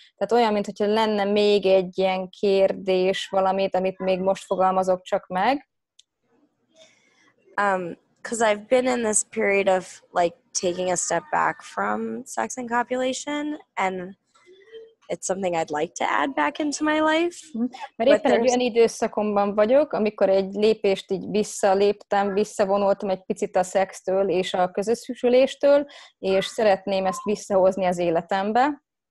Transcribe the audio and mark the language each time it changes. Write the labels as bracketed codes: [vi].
[hu] Tehát olyan, mintha lenne még egy ilyen kérdés, valamit, amit még most fogalmazok csak meg. [en] Because I've been in this period of, like, taking a step back from sex and copulation, and it's something I'd like to add back into my life. [hu] Mert éppen egy olyan időszakomban vagyok, amikor egy lépést így visszaléptem, visszavonultam egy picit a szextől és a közösüléstől, és szeretném ezt visszahozni az életembe.